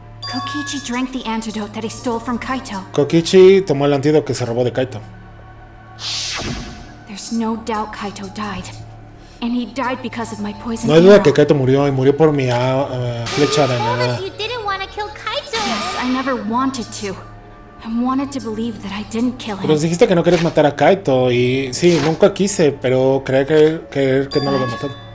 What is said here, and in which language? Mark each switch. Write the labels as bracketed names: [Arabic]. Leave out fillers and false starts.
[English] Kokichi drank the antidote that he stole from Kaito. [Spanish] Kokichi tomó el antídoto que se robó de Kaito. [English] There's no doubt Kaito died. And he died because of my poison. [Spanish] No hay duda que Kaito murió y murió por mi flecha de nada. [English] You didn't want to kill Kaito. Yes, I never wanted to. I wanted to believe that I didn't kill him. [Spanish] Pero dijiste que no querías matar a Kaito y sí, nunca quise, pero creer que no lo voy a matar.